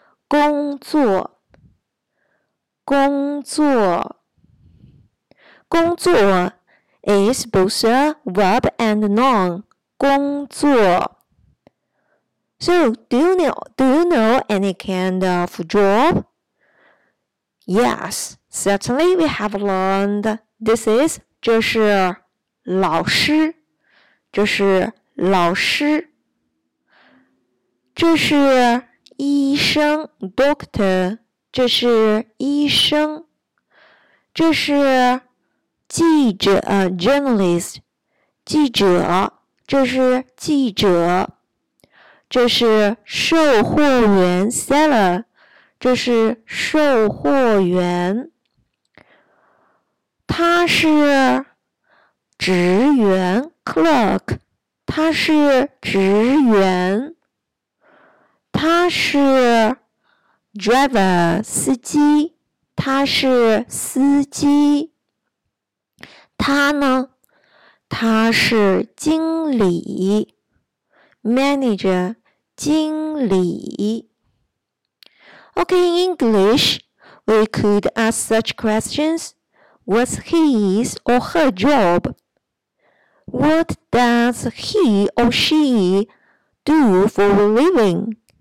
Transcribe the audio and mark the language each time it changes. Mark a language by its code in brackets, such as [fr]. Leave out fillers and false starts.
[zh] 工作, 工作。 [en] 工作is both a verb and noun, [zh] 工作。 [en] So, do you know any kind of job? Yes, certainly we have learned. This is [zh] 这是老师，这是老师，这是医生 [en] doctor, [zh] 这是医生，这是记者 [en] journalist, [zh] 记者，这是记者，这是售货员 seller. 这是售货员，他是职员 [en] clerk, [zh] 他是职员，他是 [en] driver, [zh] 司机，他是司机，他呢，他是经理 [en] manager, [zh] 经理。 [en] Okay, in English, we could ask such questions. What's his or her job? What does he or she do for a living?